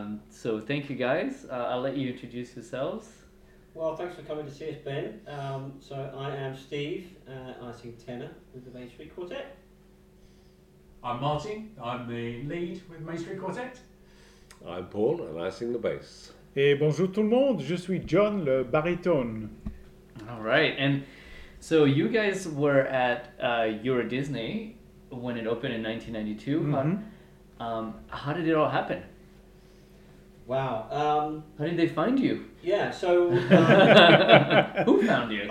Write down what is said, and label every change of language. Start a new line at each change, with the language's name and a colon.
English: So thank you guys. I'll let you introduce yourselves. Well, thanks for coming to see us, Ben. So I am Steve, I sing tenor with the Main Street Quartet. I'm Martin, I'm the lead with Main Street Quartet. I'm Paul, and I sing the bass.
French: Et bonjour tout le monde, je suis John, le baritone.
English: All right, and so you guys were at Euro Disney when it opened in 1992. Mm-hmm. How did it all happen? Wow. How did they find you? Yeah, so... who found you?